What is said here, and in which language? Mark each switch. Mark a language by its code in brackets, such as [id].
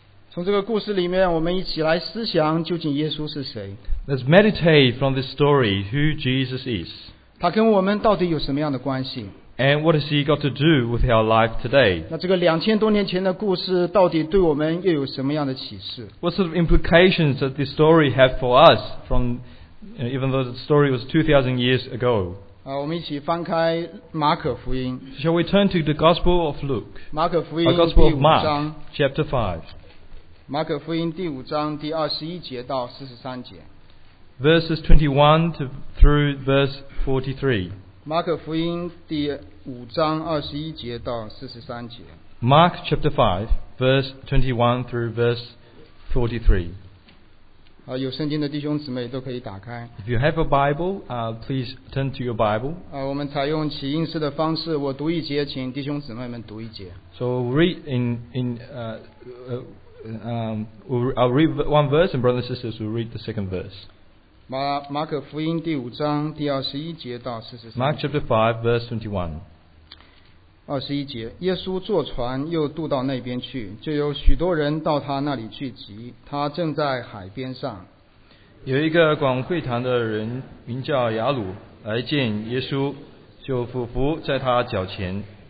[zh] 从这个故事里面我们一起来思想究竟耶稣是谁。 [en] Let's meditate from this story who Jesus is. [zh] 他跟我们到底有什么样的关系。 [en] And what has he got to do with our life today? [zh] 那这个两千多年前的故事到底对我们又有什么样的启示？ [en] What sort of implications does this story have for us from, even though the story was 2,000 years ago? [zh] 我们一起翻开马可福音。 [en] Shall we turn to the Gospel of Luke? [zh] 马可福音 [en] The Gospel of Mark, chapter 5. [zh] 马可福音第五章第二十一节到四十三节。 [en] Verses 21 through verse 43. [zh] 马可福音第五章二十一节到四十三节。 [en] Mark chapter 5, verse 21 through verse 43. [zh] 有圣经的弟兄姊妹都可以打开。 [en] If you have a Bible, please turn to your Bible. [zh] 我们采用起音式的方式，我读一节，请弟兄姊妹们读一节。 [en] So read I'll read one verse, and brothers and sisters will read the second verse. [zh] 马可福音第五章第二十一节到四十三节。 [en] Mark chapter 5, verse 21. [zh] 二十一节，耶稣坐船又渡到那边去，就有许多人到他那里聚集。他正在海边上。有一个管会堂的人名叫雅鲁，来见耶稣，就俯伏在他脚前，